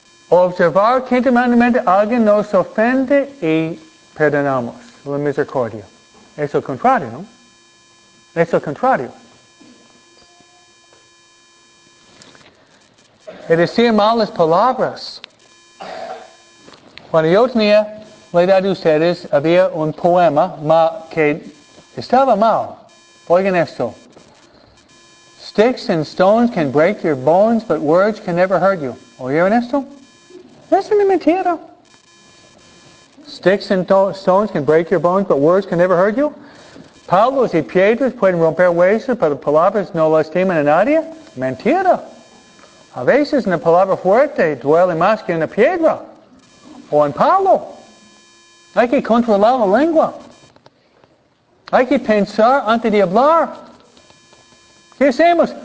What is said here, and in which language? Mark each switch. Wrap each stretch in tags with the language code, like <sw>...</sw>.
<es>Observar quinto mandamiento, alguien nos ofende y perdonamos la misericordia. Es lo contrario, ¿no? Es lo contrario. Y decir malas palabras. Cuando yo tenía la edad de ustedes, había un poema que estaba mal. Oigan esto.</es> <en>Sticks and stones can break your bones, but words can never hurt you.</en> <es>¿Oyeron esto? Es una mentira.</es> <en>Sticks and stones can break your bones, but words can never hurt you.</en> <es>Pablo, si piedras pueden romper huesos, pero palabras no lastiman a nadie, mentira. A veces una palabra fuerte duele más que una piedra. O en Pablo. Hay que controlar la lengua. Hay que pensar antes de hablar. ¿Qué hacemos?</es>